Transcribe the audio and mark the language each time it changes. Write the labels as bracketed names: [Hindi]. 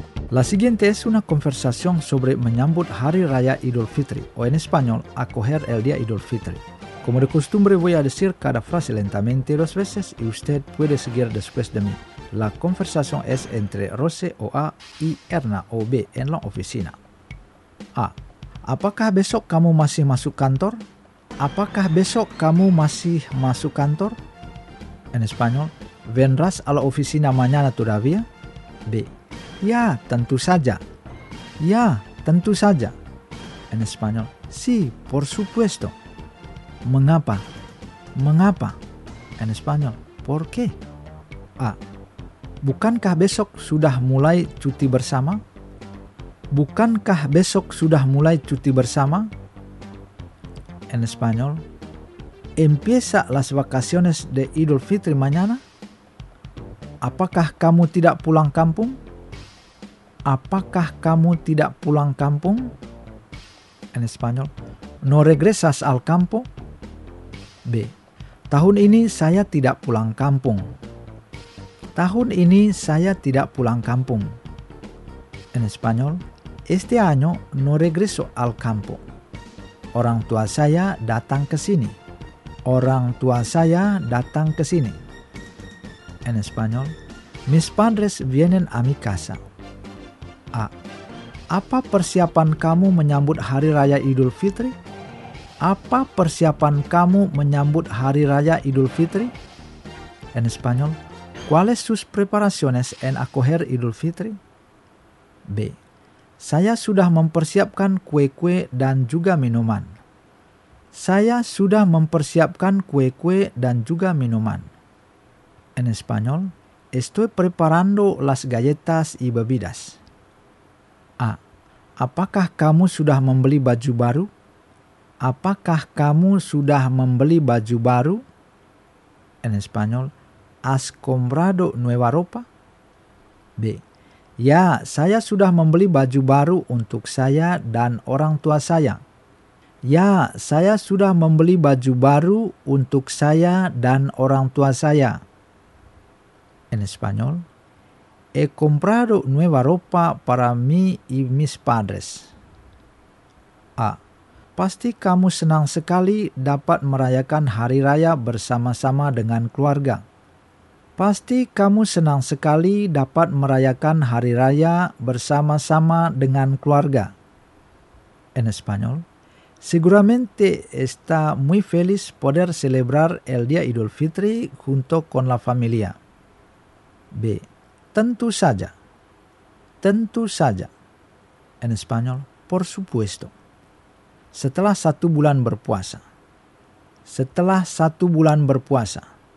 [Spanish] La siguiente es una conversación sobre [Indonesian] menyambut Hari Raya Idul Fitri, [Spanish] o en español, acoger el Día Idul Fitri. Como de costumbre, voy a decir cada frase lentamente dos veces y usted puede seguir después de mí. La conversación es entre Rose o A y Erna o B en la oficina. A. [Indonesian] ¿Apakah besok kamu masih masuk kantor? ¿Apakah besok kamu masih masuk kantor? [Spanish] En español, ¿vendrás a la oficina mañana todavía? B. [Indonesian] Ya, tentu saja. Ya, tentu saja. [Spanish] En español, sí, por supuesto. [Indonesian] Mengapa? Mengapa? [Spanish] En español, ¿por qué? A. [Indonesian] Bukankah besok sudah mulai cuti bersama? Bukankah besok sudah mulai cuti bersama? [Spanish] En español, ¿empieza las vacaciones de Idul Fitri mañana? [Indonesian] Apakah kamu tidak pulang kampung? Apakah kamu tidak pulang kampung? [Spanish] En español, no regresas al campo? B. [Indonesian] Tahun ini saya tidak pulang kampung. Tahun ini saya tidak pulang kampung. [Spanish] En español, este año no regreso al campo. [Indonesian] Orang tua saya datang ke sini. Orang tua saya datang ke sini. [Spanish] En español, mis padres vienen a mi casa. A. [Indonesian] Apa persiapan kamu menyambut Hari Raya Idul Fitri? Apa persiapan kamu menyambut Hari Raya Idul Fitri? [Spanish] En español, ¿cuáles sus preparaciones en acoger Idul Fitri? B. [Indonesian] Saya sudah mempersiapkan kue-kue dan juga minuman. Saya sudah mempersiapkan kue-kue dan juga minuman. [Spanish] En español, estoy preparando las galletas y bebidas. A. [Indonesian] Apakah kamu sudah membeli baju baru? Apakah kamu sudah membeli baju baru? [Spanish] En español, ¿has comprado nueva ropa? [Indonesian] B. Ya, saya sudah membeli baju baru untuk saya dan orang tua saya. Ya, saya sudah membeli baju baru untuk saya dan orang tua saya. [Spanish] En español, he comprado nueva ropa para mí y mis padres. A. [Indonesian] Pasti kamu senang sekali dapat merayakan hari raya bersama-sama dengan keluarga. Pasti kamu senang sekali dapat merayakan hari raya bersama-sama dengan keluarga. [Spanish] En español, seguramente está muy feliz poder celebrar el Día Idul Fitri junto con la familia. B. [Indonesian] Tentu saja. Tentu saja. [Spanish] En español, por supuesto. [Indonesian] Setelah satu bulan berpuasa. Setelah satu bulan berpuasa.